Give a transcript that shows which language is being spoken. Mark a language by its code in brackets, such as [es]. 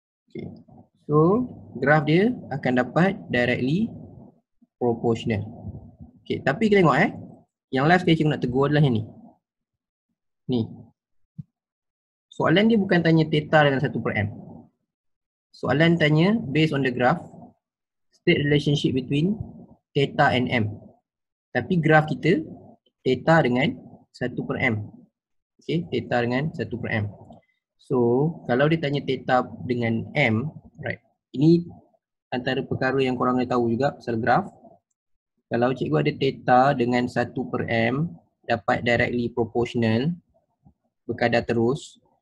[ms] Okay. So graf dia akan dapat [en] directly proportional. [ms] Okay, tapi kita tengok yang last sekali cikgu nak tegur adalah yang ni. Ni. Soalan dia bukan tanya theta dengan 1 per m. Soalan tanya [en] based on the graph, state relationship between theta and m. [ms] Tapi graph kita theta dengan 1 per m. Okay, theta dengan 1 per m. So, kalau dia tanya theta dengan m, right? Ini antara perkara yang korang nak tahu juga pasal graph. Kalau cikgu ada theta dengan 1 per m, dapat [en] directly proportional, [ms] berkadar terus.